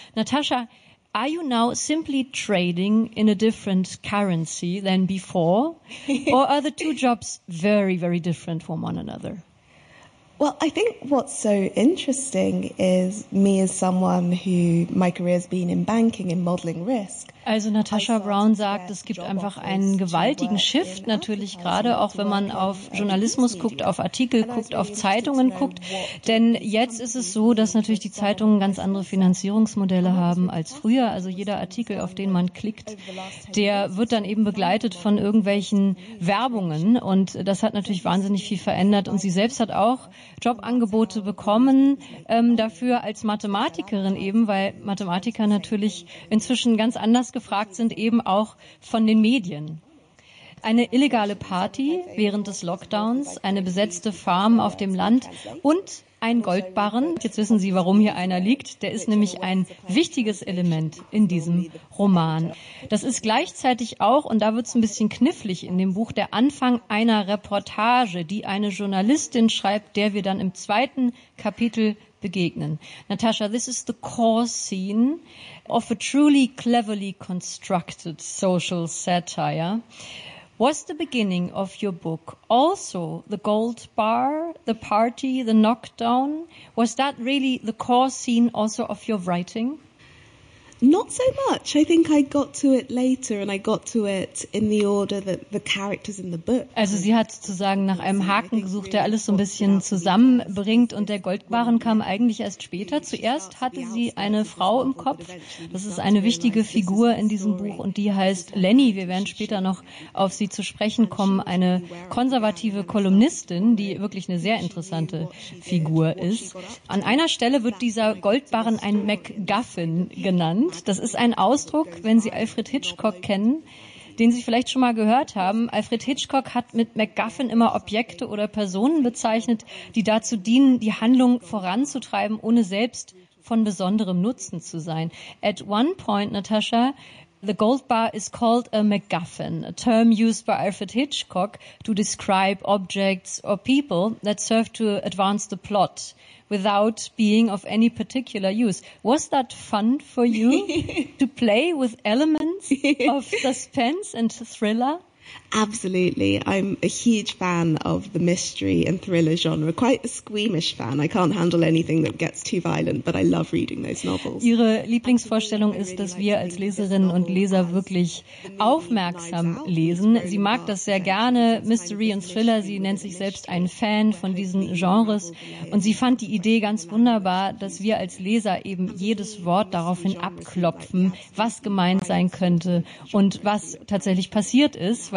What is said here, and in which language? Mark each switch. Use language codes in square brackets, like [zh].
[en] Natasha, are you now simply trading in a different currency than before? Or are the two jobs very, very different from one another? Well, I think what's so interesting is me as someone who my career has been in banking and modeling risk. [de] Also Natasha Brown sagt, es gibt einfach einen gewaltigen Shift, natürlich gerade auch, wenn man auf Journalismus guckt, auf Artikel guckt, auf Zeitungen guckt. Denn jetzt ist es so, dass natürlich die Zeitungen ganz andere Finanzierungsmodelle haben als früher. Also jeder Artikel, auf den man klickt, der wird dann eben begleitet von irgendwelchen Werbungen. Und das hat natürlich wahnsinnig viel verändert. Und sie selbst hat auch Jobangebote bekommen dafür als Mathematikerin eben, weil Mathematiker natürlich inzwischen ganz anders gefragt sind, eben auch von den Medien. Eine illegale Party während des Lockdowns, eine besetzte Farm auf dem Land und ein Goldbarren. Jetzt wissen Sie, warum hier einer liegt. Der ist nämlich ein wichtiges Element in diesem Roman. Das ist gleichzeitig auch, und da wird es ein bisschen knifflig in dem Buch, der Anfang einer Reportage, die eine Journalistin schreibt, der wir dann im zweiten Kapitel begegnen. [en] Natasha, this is the core scene of a truly cleverly constructed social satire. Was the beginning of your book also the gold bar, the party, the knockdown? Was that really the core scene also of your writing? Not so much. I think I got to it later, and I got to it in the order that the characters in the book. [de] Also, sie hat sozusagen nach einem Haken gesucht, der alles so ein bisschen zusammenbringt, und der Goldbarren kam eigentlich erst später. Zuerst hatte sie eine Frau im Kopf. Das ist eine wichtige Figur in diesem Buch, und die heißt Lenny. Wir werden später noch auf sie zu sprechen kommen. Eine konservative Kolumnistin, die wirklich eine sehr interessante Figur ist. An einer Stelle wird dieser Goldbarren ein MacGuffin genannt. Das ist ein Ausdruck, wenn Sie Alfred Hitchcock kennen, den Sie vielleicht schon mal gehört haben. Alfred Hitchcock hat mit MacGuffin immer Objekte oder Personen bezeichnet, die dazu dienen, die Handlung voranzutreiben, ohne selbst von besonderem Nutzen zu sein. [en] At one point, Natasha, the gold bar is called a MacGuffin, a term used by Alfred Hitchcock to describe objects or people that serve to advance the plot without being of any particular use. Was that fun for you to play with elements of suspense and thriller? Absolutely. I'm a huge fan of the mystery and thriller genre. Quite a squeamish fan. I can't handle anything that gets too violent, but I love reading those novels. [de] Ihre Lieblingsvorstellung ist, dass wir als Leserinnen und Leser wirklich aufmerksam lesen. Sie mag das sehr gerne, Mystery und Thriller. Sie nennt sich selbst ein Fan von diesen Genres. Und sie fand die Idee ganz wunderbar, dass wir als Leser eben jedes Wort daraufhin abklopfen, was gemeint sein könnte und was tatsächlich passiert ist.